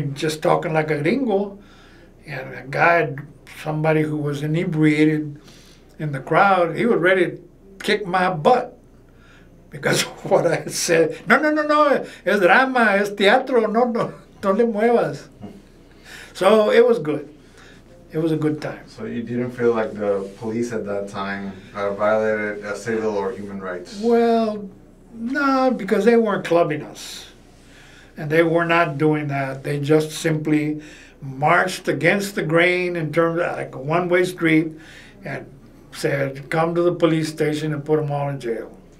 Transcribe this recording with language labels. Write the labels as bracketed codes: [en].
[en] Just talking like a gringo. And a guy, somebody who was inebriated in the crowd, he was ready to kick my butt because of what I had said. [es] No, es drama, es teatro, no, no le muevas. [en] So it was good. It was a good time. So you didn't feel like the police at that time violated civil or human rights? Well, no, because they weren't clubbing us. And they were not doing that. They just simply marched against the grain in terms of like a one-way street and said, come to the police station and put them all in jail.